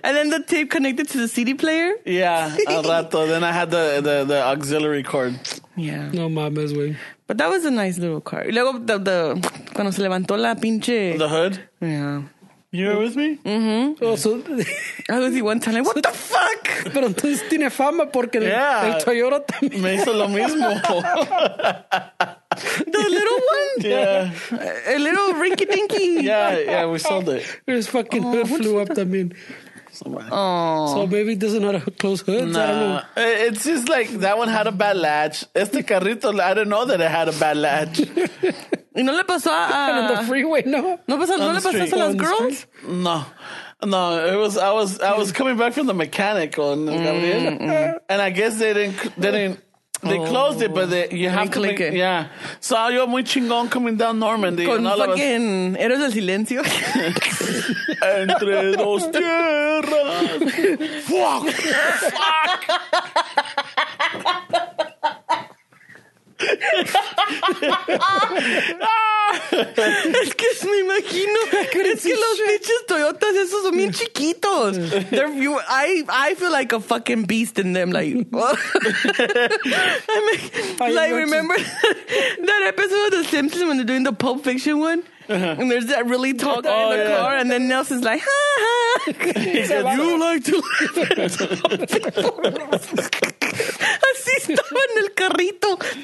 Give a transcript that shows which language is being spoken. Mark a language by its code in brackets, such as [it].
[en] And then the tape connected to the CD player. Yeah. [es] A rato. [en] Then I had the auxiliary cord. Yeah. [es] No mames, güey. [en] But that was a nice little car. [es] Luego, [en] the [es] cuando se levantó la pinche... [en] The hood? Yeah. You were with me? Mm-hmm. Also, I was the one telling, what the fuck? [es] Pero entonces tiene fama porque el Toyota también. Me hizo lo mismo. [en] The little one? Yeah. A little rinky-dinky. Yeah, we sold it. His fucking hood flew up [es] también. [en] Somewhere. Oh. So maybe it doesn't have a close hood. Nah. It's just like that one had a bad latch. [es] Este carrito, [en] I didn't know that it had a bad latch. [es] Y no le pasó a [en] on the freeway, no. [es] No, pasó, no le pasó a las girls. [en] No. No, it was I was coming back from the mechanic on Gabriel. And I guess they closed it, but you have to click it. Yeah. So [es] yo muy chingón [en] coming down Normandy. [es] Con fucking Héroes del Silencio. Entre dos tierras. [en] Fuck. [es] Es que me imagino que los pinches Toyotas esos son bien chiquitos. [en] I feel like a fucking beast in them. Like, remember that episode of The Simpsons when they're doing the Pulp Fiction one? Uh-huh. And there's that really tall guy in the car, and then Nelson's like, ha ha. He said, you like to [es] Así estaba en el carrito.